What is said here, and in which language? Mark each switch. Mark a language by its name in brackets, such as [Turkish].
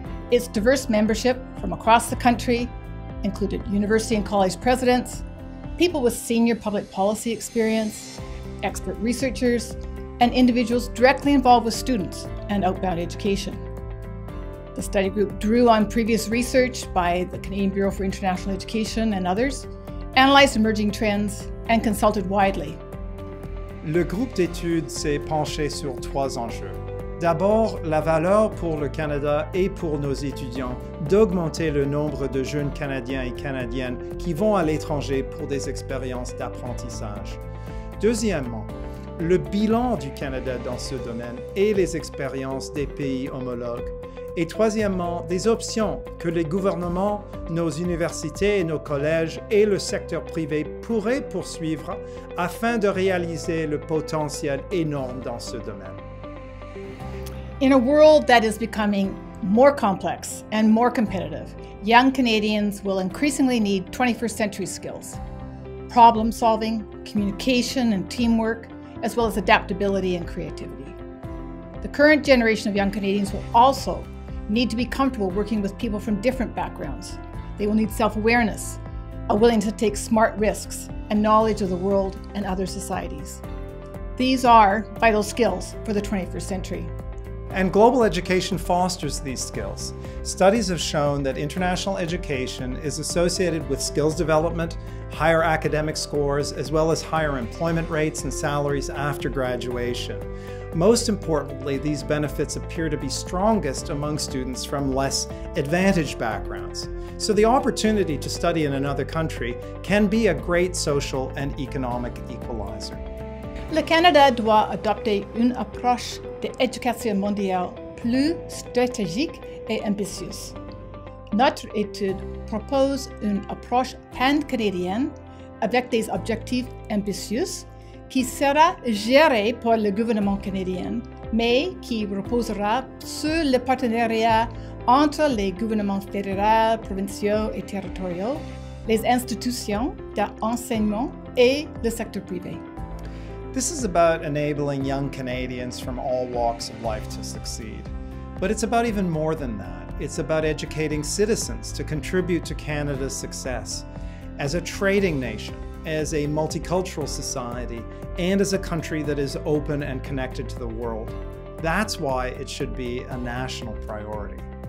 [English] Its diverse membership from across the country included university and college presidents, people with senior public policy experience, expert researchers, and individuals directly involved with students and outbound education. The study group drew on previous research by the Canadian Bureau for International Education and others, analyzed emerging trends, and consulted widely. [French] Le groupe d'études s'est penché sur trois enjeux. D'abord, la valeur pour le Canada et pour nos étudiants d'augmenter le nombre de jeunes Canadiens et Canadiennes qui vont à l'étranger pour des expériences d'apprentissage. Deuxièmement, le bilan du Canada dans ce domaine et les expériences des pays homologues. Et troisièmement, des options que les gouvernements, nos universités, nos collèges et le secteur privé pourraient poursuivre afin de réaliser le potentiel énorme dans ce domaine. [English] In a world that is becoming more complex and more competitive, young Canadians will increasingly need 21st century skills. Problem solving, communication and teamwork, as well as adaptability and creativity. The current generation of young Canadians will also need to be comfortable working with people from different backgrounds. They will need self-awareness, a willingness to take smart risks, and knowledge of the world and other societies. These are vital skills for the 21st century. And global education fosters these skills. Studies have shown that international education is associated with skills development, higher academic scores, as well as higher employment rates and salaries after graduation. Most importantly, these benefits appear to be strongest among students from less advantaged backgrounds. So the opportunity to study in another country can be a great social and economic equalizer. [French] Le Canada doit adopter une approche d'éducation mondiale plus stratégique et ambitieuse. Notre étude propose une approche pan-canadienne avec des objectifs ambitieux qui sera géré par le gouvernement canadien, mais qui reposera sur le partenariat entre les gouvernements fédéraux, provinciaux et territoriaux, les institutions d'enseignement et le secteur privé. [English] This is about enabling young Canadians from all walks of life to succeed. But it's about even more than that. It's about educating citizens to contribute to Canada's success as a trading nation, as a multicultural society, and as a country that is open and connected to the world. That's why it should be a national priority.